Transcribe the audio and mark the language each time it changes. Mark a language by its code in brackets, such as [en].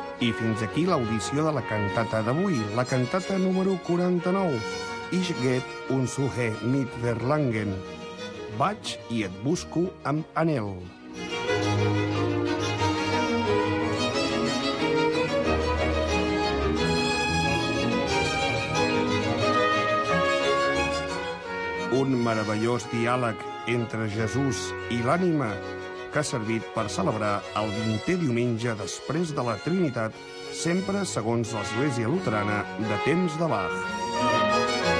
[ca] fins aquí l'audició de la cantata d'avui, la cantata número 49. [de] Ich geht und suche mit Verlangen. [ca] Vaig i et busco amb anhel. Un meravellós diàleg entre Jesús i l'ànima que ha servit per celebrar el 20è diumenge després de la Trinitat, sempre segons l'Església Luterana de temps de Bach.